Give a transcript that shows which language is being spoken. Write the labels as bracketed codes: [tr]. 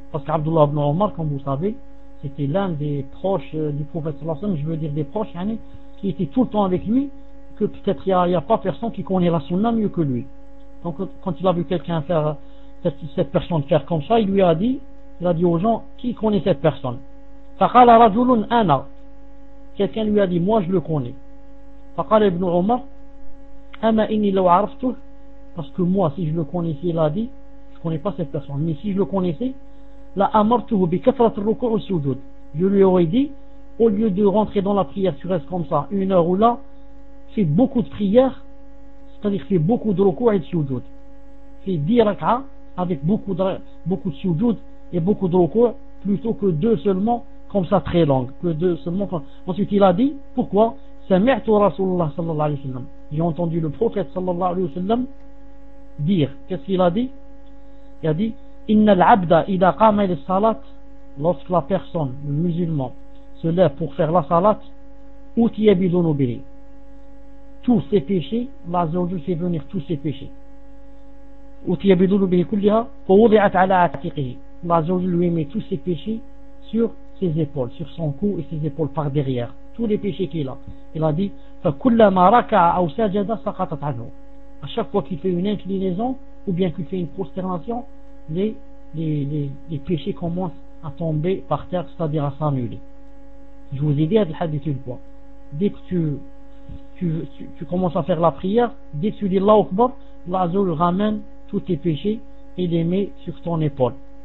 [fr] Parce qu'Abdullah ibn Omar, comme vous savez, c'était l'un des proches du prophète sallallahu alayhi wa sallam, je veux dire des proches, yani, qui était tout le temps avec lui, que peut-être il n'y a pas personne qui connaît la sunna mieux que lui. Donc quand il a vu quelqu'un faire, cette personne faire comme ça, il a dit aux gens, qui connaît cette personne. [ar] فَقَالَ رَجُلٌ أَنَا. [fr] Quelqu'un lui a dit, moi je le connais. [ar] فَقَالَ ibn Omar, أَمَا إِنِّي لَوْ عَرَفْتُهُ. [fr] Parce que moi, si je le connaissais, il a dit, je ne connais pas cette personne, mais si je le connaissais, [ar] la amartuhu bi kathrat ruku' wa sujud. [fr] Je lui aurais dit, au lieu de rentrer dans la prière sureste comme ça, une heure ou là, fais beaucoup de prières, c'est-à-dire fais beaucoup de ruku' et de sujud. Fais 10 rak'a avec beaucoup de sujud et beaucoup de ruku', plutôt que deux seulement, comme ça très longues. Ensuite, il a dit, pourquoi? [ar] Sami'tu Rasulullah sallallahu alayhi wa sallam. [fr] J'ai entendu le prophète sallallahu alayhi wa sallam dire. Qu'est-ce qu'il a dit? Il a dit, [ar] إن العبد إذا قام للصلاة, [fr] lorsque la personne, le musulman, se lève pour faire la salat, [ar] أُتِيَ بِذُنُوبِهِ, [fr] tous ses péchés, la zawjou fait venir tous ses péchés. [ar] أُتِيَ بِذُنُوبِهِ كُلِّهَا فَوُضِعَتْ عَلَى عَتِقِهِ, [fr] la zawjou lui met tous ses péchés sur ses épaules, sur son cou et ses épaules par derrière. Tous les péchés qu'il a. [ar] Il a dit, فَكُلَّمَا رَكَعَ أَوْ سَجَدَ سَقَطَتْ عَنْهُ. [fr] À chaque fois qu'il fait une inclinaison, ou bien qu'il fait une prosternation, les péchés commencent à tomber par terre, c'est-à-dire à s'annuler. Je vous ai dit à le hadith une fois. Dès que tu commences à faire la prière, dès que tu dis Allahu Akbar, l'azul ramène tous tes péchés et les met sur ton épaule.